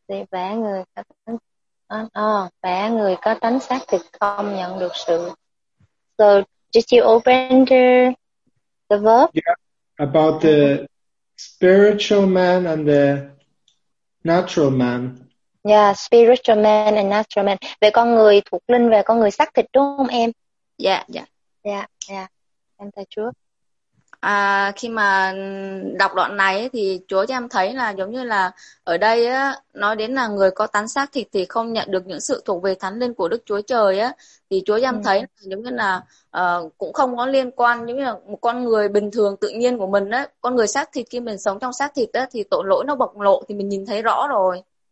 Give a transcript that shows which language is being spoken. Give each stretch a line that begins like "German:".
Vietnamese: Bẻ người có người có tánh xác thì không nhận được sự.
English: So did you open the verb? Yeah, about the spiritual man and the natural man. Yeah, spiritual man and natural man.
Vietnamese: Về con người thuộc linh và con người xác thịt đúng không em?
English: Yeah.
Vietnamese: Em thấy Chúa. Khi mà đọc đoạn này thì Chúa cho em thấy là giống như là ở đây á, nói đến là người có tánh xác thịt thì không nhận được những sự thuộc về thánh linh của Đức Chúa Trời á, thì Chúa cho em thấy là giống như là cũng không có liên quan, giống như là một con người bình thường tự nhiên của mình á, con người xác thịt khi mình sống trong xác thịt á thì tội lỗi nó bộc lộ thì mình nhìn thấy rõ rồi.